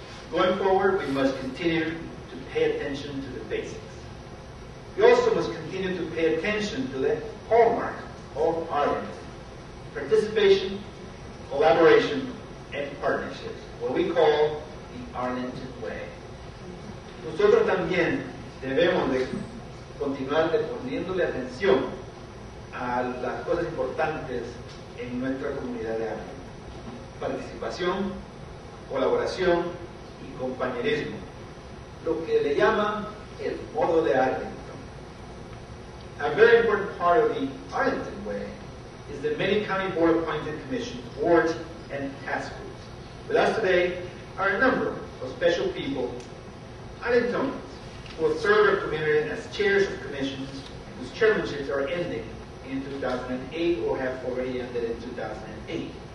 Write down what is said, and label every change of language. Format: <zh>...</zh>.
<en>Going forward, we must continue pay attention to the basics. We also must continue to pay attention to the hallmark of Arlington: participation, collaboration, and partnerships, what we call the Arlington Way.</en> <es>Nosotros también debemos de continuar poniéndole atención a las cosas importantes en nuestra comunidad de Arlington: participación, colaboración, y compañerismo. Lo que le llaman el modo de Arlington.</es> <en>A very important part of the Arlington Way is the many county board appointed commissions, boards, and task groups. With us today are a number of special people, Arlingtonians, who will serve our community as chairs of commissions whose chairmanships are ending in 2008 or have already ended in 2008.</en>